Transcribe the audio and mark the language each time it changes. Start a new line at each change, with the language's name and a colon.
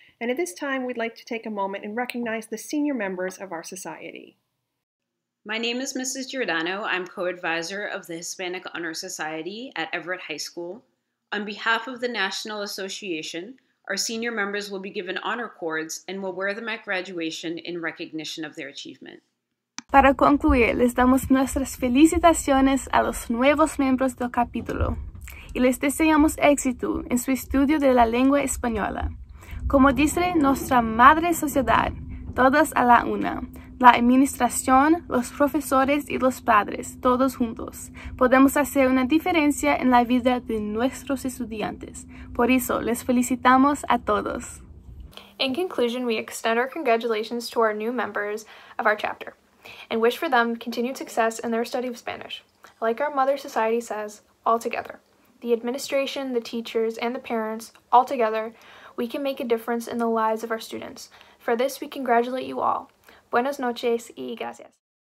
English: And at this time, we'd like to take a moment and recognize the senior members of our society. My name is Mrs. Giordano. I'm co-advisor of the Hispanic Honor Society at Everett High School. On behalf of the National Association, our senior members will be given honor cords and will wear them at graduation in recognition of their achievement.
Spanish: Para concluir, les damos nuestras felicitaciones a los nuevos miembros del capítulo y les deseamos éxito en su estudio de la lengua española. Como dice nuestra madre sociedad, todas a la una, la administración, los profesores y los padres, todos juntos, podemos hacer una diferencia en la vida de nuestros estudiantes. Por eso, les felicitamos a todos.
English: In conclusion, we extend our congratulations to our new members of our chapter and wish for them continued success in their study of Spanish. Like our mother society says, all together, the administration, the teachers, and the parents, all together, we can make a difference in the lives of our students. For this, we congratulate you all.
Spanish: Buenas noches y gracias.